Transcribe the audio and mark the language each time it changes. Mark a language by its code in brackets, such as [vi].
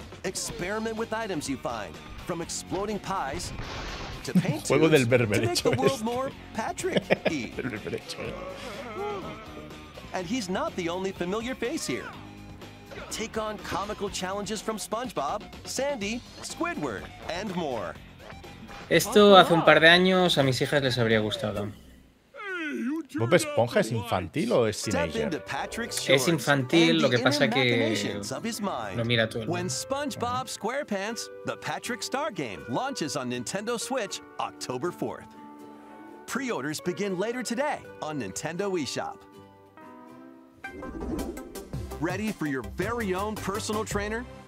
[en] Experiment with items you find, from exploding pies to paint tubes. [es] Juego del berberecho. [en] Make the world more Patrick-y. and he's not the only familiar face here. Take on comical challenges from SpongeBob, Sandy, Squidward, and more. [es] Esto hace un par de años a mis hijas les habría gustado. ¿Bob Esponja es infantil o es teenager? Es infantil, lo que pasa que lo mira todo. [en] When SpongeBob SquarePants: The Patrick Star Game launches on Nintendo Switch October 4th. Pre-orders begin later today on Nintendo eShop. Ready for your very own personal trainer?